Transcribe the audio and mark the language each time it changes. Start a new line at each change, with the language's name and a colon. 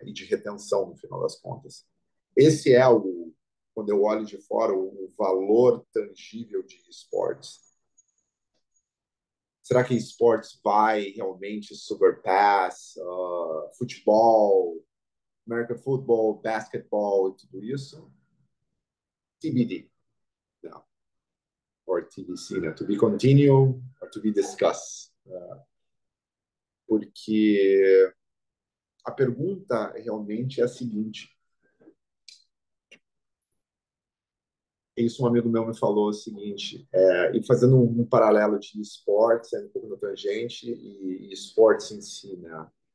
Portuguese: E de retenção, no final das contas. Esse é o, quando eu olho de fora, o valor tangível de esportes. Será que esportes vai realmente surpass futebol, American football, basketball e tudo isso?
English: TBD. Não. Or TBC, né? To be continued or to be discussed.
Portuguese: Porque a pergunta realmente é a seguinte. Isso um amigo meu me falou o seguinte, e fazendo um paralelo de esportes, um pouco no tangente, e esportes em si, né?